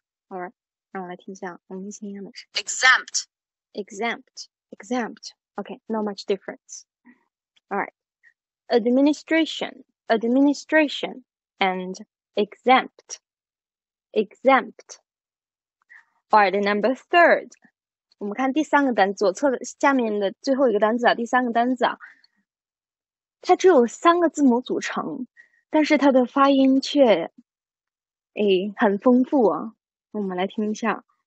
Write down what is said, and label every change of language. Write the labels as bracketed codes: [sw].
[en] All right, [zh] 让我来听一下，我们听一下美式。 [en] Exempt. Okay, not much difference. Alright. Administration, and exempt. Alright, number third. [zh] 我们看第三个单词，左侧的下面的最后一个单词啊，第三个单词啊，它只有三个字母组成，但是它的发音却，哎，很丰富啊。我们来听一下。